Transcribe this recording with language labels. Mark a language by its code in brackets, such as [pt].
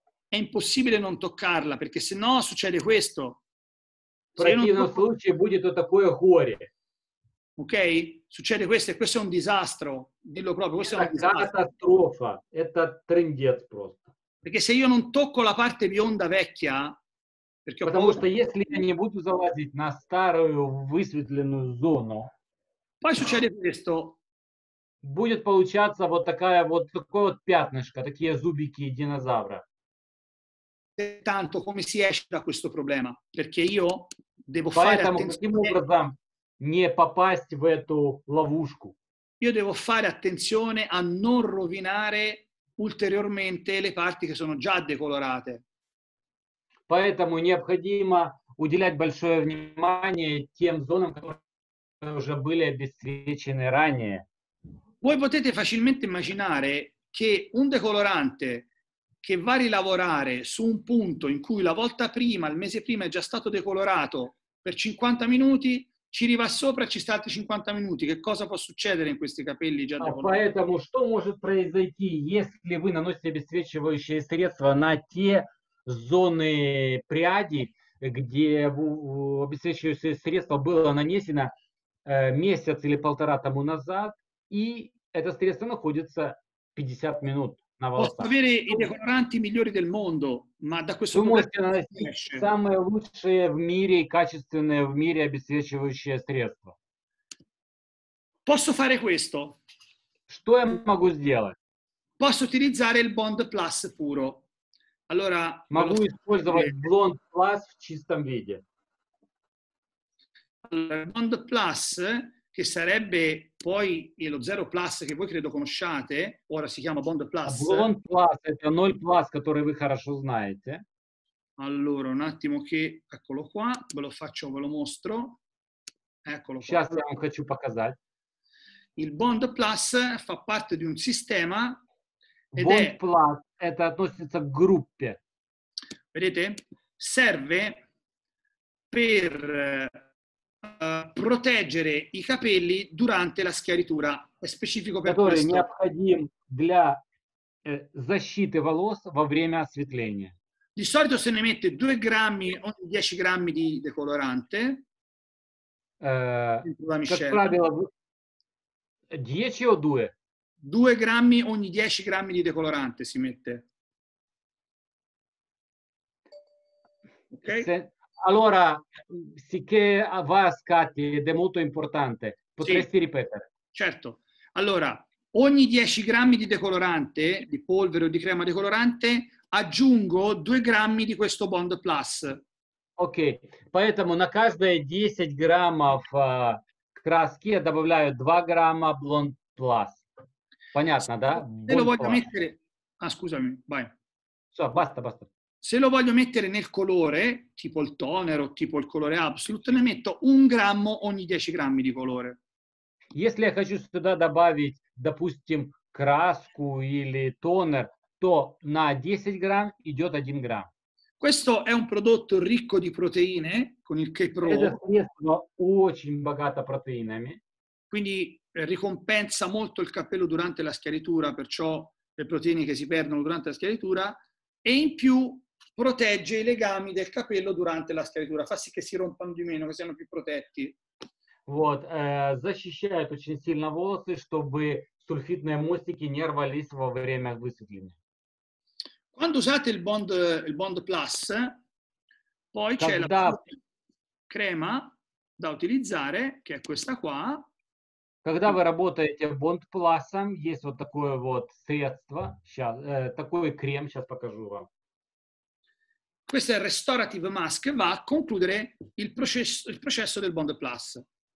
[it] È impossibile non toccarla perché sennò succede questo. [ru] Случае будет вот такое горе. Ok? [it] Succede questo e questo è un disastro. Dillo proprio, questo è un disastro. [ru] Катастрофа. Это трындец просто. [it] Perché se io non tocco la parte bionda vecchia, perché ho paura. [ru] Что, если я не буду залазить на старую высветленную зону, [it] poi succede questo. [ru] Будет получаться вот такая вот, такое вот пятнышко, такие зубики динозавра. [it] Tanto come si esce da questo problema? Perché io devo [ru] Поэтому, [it] fare attenzione. [ru] Каким образом не попасть в эту ловушку? [it] Io devo fare attenzione a non rovinare ulteriormente le parti che sono già decolorate. [ru] Поэтому необходимо уделять большое внимание тем зонам, которые уже были обесцвечены ранее. [it] Voi potete facilmente immaginare che un decolorante che va a rilavorare su un punto in cui la volta prima, il mese prima, è già stato decolorato per 50 minuti, ci riva sopra e ci sta altri 50 minuti. Che cosa può succedere in questi capelli già decolorati? [ru] Поэтому что может произойти, если вы наносите обесцвечивающее средство на те зоны пряди, где обесцвечивающее средство было нанесено месяц или полтора тому назад, и это средство находится 50 минут на волосах. [it] Posso avere i decoloranti migliori del mondo, ma da questo punto di vista [ru] самые лучшие в мире и качественные в мире обесцвечивающее средство. [it] Posso fare questo? [ru] Что я могу сделать? [it] Posso utilizzare il Bond Plus puro. Allora, [ru] могу использовать Bond Plus в чистом виде. [it] Bond Plus, che sarebbe poi lo Zero Plus che voi credo conosciate, ora si chiama Bond Plus. Bond Plus, è il Noi Plus, che voi [ru] хорошо знаете. [it] Allora, un attimo che, eccolo qua, ve lo faccio, ve lo mostro. Eccolo qua. [ru] Сейчас я вам хочу показать. [it] Il Bond Plus fa parte di un sistema. [ru] Ed Bond Plus, это относится к группе. [it] Vedete? Serve per proteggere i capelli durante la schiaritura, è specifico per questo. [ru] Необходим для защиты волос во время осветления. [it] Di solito se ne mette 2 grammi o 10 grammi di decolorante. [ru] Правило, 10 o 2? [it] 2 grammi ogni 10 grammi di decolorante si mette. Ok. Allora, sicché va a scatti ed è molto importante, potresti ripetere? Certo. Allora, ogni 10 grammi di decolorante, di polvere o di crema decolorante, aggiungo 2 grammi di questo Bond Plus. Ok. [ru] Поэтому на каждые 10 граммов краски я добавляю 2 грамма Bond Plus. Понятно, да? [it] Se lo voglio mettere... Ah, scusami, vai. Basta, basta. Se lo voglio mettere nel colore, tipo il toner o tipo il colore Absolute, ne metto 1 grammo ogni 10 grammi di colore. [ru] Если я хочу сюда добавить, допустим, краску или тонер, то на 10 грамм идет 1 грамм. [it] Questo è un prodotto ricco di proteine, con il K-Pro. Questo è [ru] очень богато proteinami. [it] Quindi ricompensa molto il capello durante la schiaritura, perciò le proteine che si perdono durante la schiaritura, e in più protegge i legami del capello durante la schiaritura, fa sì che si rompano di meno, che siano più protetti. [ru] Вот, защищает очень сильно волосы, чтобы сульфидные мостики не рвались во время высветления. [it] Quando usate il Bond Plus, poi c'è la crema da utilizzare, che è questa qua. [ru] Когда вы работаете Bond Plus, есть вот такое вот средство, сейчас, такой крем, сейчас покажу вам. [it] Questo è il Restorative Mask, va a concludere il processo del Bond Plus.